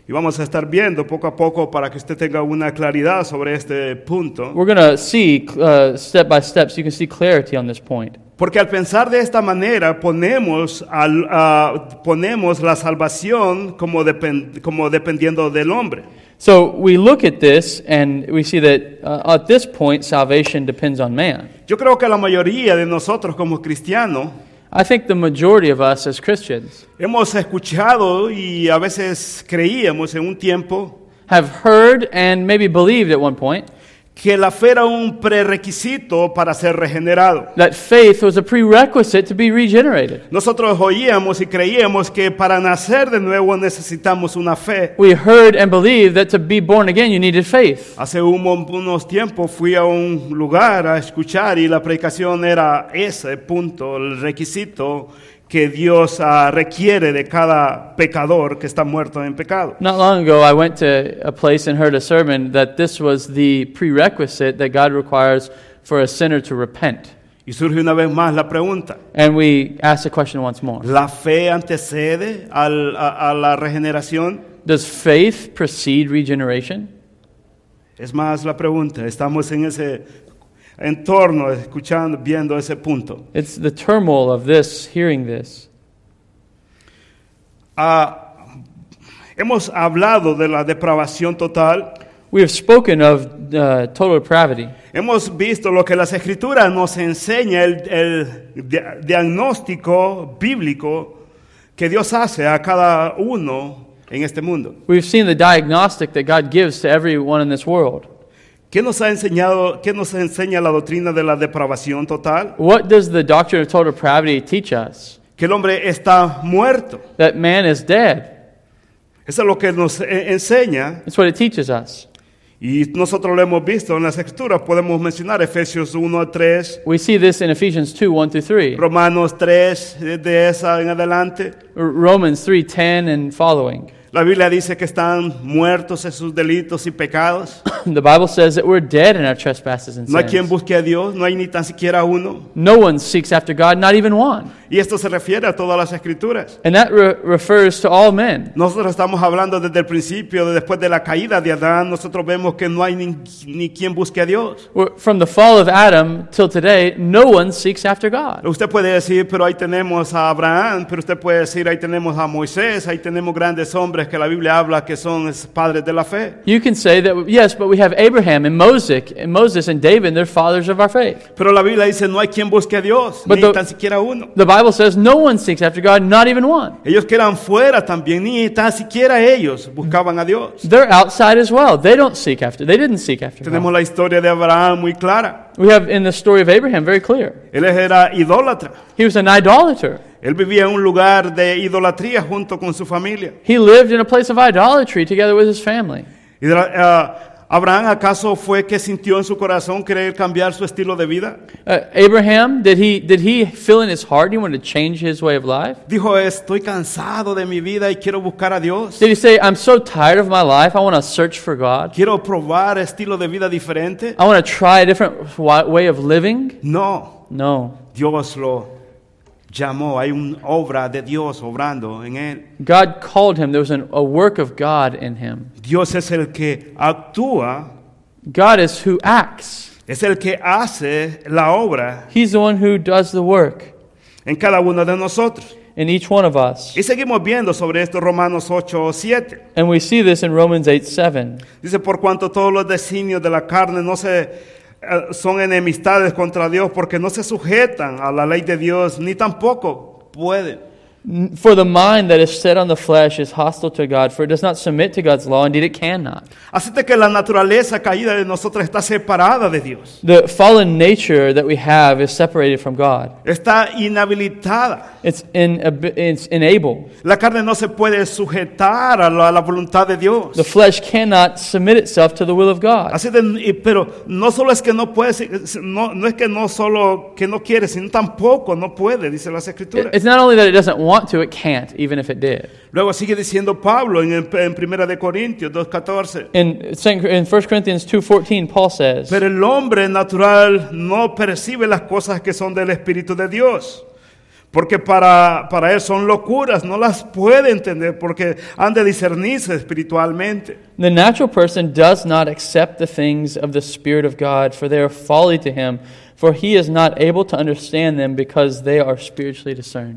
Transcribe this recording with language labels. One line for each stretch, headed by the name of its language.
Spanish: Y vamos a estar viendo poco a poco para que usted tenga una claridad sobre este punto.
English: We're going to see step by step so you can see clarity on this point.
Spanish: Porque al pensar de esta manera ponemos la salvación como dependiendo del hombre.
English: So we look at this and we see that at this point salvation depends on man.
Spanish: Yo creo que la mayoría de nosotros como cristianos,
English: I think the majority of us as Christians
Spanish: hemos escuchado y a veces creíamos en un tiempo
English: have heard and maybe believed at one point
Spanish: que la fe era un prerequisito para ser regenerado.
English: That faith was a prerequisite to be regenerated.
Spanish: Nosotros oíamos y creíamos que para nacer de nuevo necesitamos una fe.
English: We heard and believed that to be born again you needed faith.
Spanish: Hace unos tiempos fui a un lugar a escuchar y la predicación era ese punto, el requisito que Dios requiere de cada pecador que está muerto en pecado.
English: Not long ago, I went to a place and heard a sermon that this was the prerequisite that God requires for a sinner to repent.
Spanish: Y surge una vez más la pregunta.
English: And we ask the question once more.
Spanish: ¿La fe antecede a la regeneración?
English: Does faith precede regeneration?
Spanish: Es más la pregunta. Estamos en ese entorno, escuchando, viendo ese punto.
English: It's the turmoil of this, hearing this.
Spanish: Hemos hablado de la depravación total.
English: We have spoken of total depravity.
Spanish: Hemos visto lo que las escrituras nos enseña, el diagnóstico bíblico que Dios hace a cada uno en este mundo.
English: We've seen the diagnostic that God gives to everyone in this world.
Spanish: ¿Qué nos ha enseñado, qué nos enseña la doctrina de la depravación total?
English: What does the doctrine of total depravity teach us?
Spanish: Que el hombre está muerto.
English: That man is dead.
Spanish: Eso es lo que nos enseña.
English: It's what it teaches us.
Spanish: Y nosotros lo hemos visto en las Escrituras. Podemos mencionar Efesios 1 a 3.
English: We see this in Ephesians 2, 1 to 3.
Spanish: Romanos 3, de esa en adelante.
English: Romans 3, 10 and following.
Spanish: La Biblia dice que están muertos en sus delitos y pecados.
English: The Bible says that we're dead in our trespasses and sins.
Spanish: No hay quien busque a Dios, no hay ni tan siquiera uno.
English: No one seeks after God, not even one.
Spanish: Y esto se refiere a todas las Escrituras.
English: And that refers to all men.
Spanish: Nosotros estamos hablando desde el principio, después de la caída de Adán, nosotros vemos que no hay ni quien busque a Dios.
English: From the fall of Adam till today, no one seeks after God.
Spanish: Usted puede decir, pero ahí tenemos a Abraham, pero usted puede decir, ahí tenemos a Moisés, ahí tenemos grandes hombres que la Biblia habla que son padres de la fe.
English: You can say that, yes, but we have Abraham and Moses and David, they're fathers of our faith.
Spanish: Pero la Biblia dice, no hay quien busque a Dios,
English: but
Spanish: ni tan siquiera uno.
English: The Bible says no one seeks after God, not even one.
Spanish: Ellos quedan fuera también, ni tan siquiera ellos buscaban a Dios.
English: They're outside as well. They don't seek after. They didn't seek after.
Spanish: Tenemos la historia de Abraham muy clara.
English: We have in the story of Abraham very clear.
Spanish: Él era idólatra.
English: He was an idolater.
Spanish: Él vivía en un lugar de idolatría junto con su familia.
English: He lived in a place of idolatry together with his family.
Spanish: ¿Abraham acaso fue que sintió en su corazón querer cambiar su estilo de vida?
English: Abraham, did he feel in his heart he wanted to change his way of life?
Spanish: Dijo, estoy cansado de mi vida y quiero buscar a Dios.
English: Did he say, I'm so tired of my life, I want to search for God?
Spanish: Quiero probar estilo de vida diferente.
English: I want to try a different way of living.
Spanish: No.
English: No.
Spanish: Dios lo llamó. Hay una obra de Dios obrando en él.
English: God called him. There was a work of God in him.
Spanish: Dios es el que actúa.
English: God is who acts.
Spanish: Es el que hace la obra.
English: He's the one who does the work.
Spanish: En cada uno de nosotros.
English: In each one of us.
Spanish: Y seguimos viendo sobre esto Romanos 8:7.
English: And we see this in Romans 8:7.
Spanish: Dice, por cuanto todos los designios de la carne no se son enemistades contra Dios porque no se sujetan a la ley de Dios ni tampoco pueden.
English: For the mind that is set on the flesh is hostile to God, for it does not submit to God's law, indeed it cannot.
Spanish: Así que la naturaleza caída de nosotros está separada de Dios.
English: The fallen nature that we have is separated from God.
Spanish: Está inhabilitada.
English: It's unable.
Spanish: La carne no se puede sujetar a la voluntad de Dios.
English: The flesh cannot submit itself to the will of God.
Spanish: Así de, pero no solo es que no puede, no es que no solo que no quiere, sino tampoco no puede, dice las Escrituras.
English: It's not only that it doesn't want to, it can't, even if it did.
Spanish: Luego sigue diciendo Pablo en Primera de Corintios 2:14.
English: In 1 Corinthians 2:14, Paul says,
Spanish: pero el hombre natural no percibe las cosas que son del Espíritu de Dios. Porque para él son locuras, no las puede entender porque han de discernirse espiritualmente.
English: The natural person does not accept the things of the Spirit of God, for they are folly to him, for he is not able to understand them because they are spiritually discerned.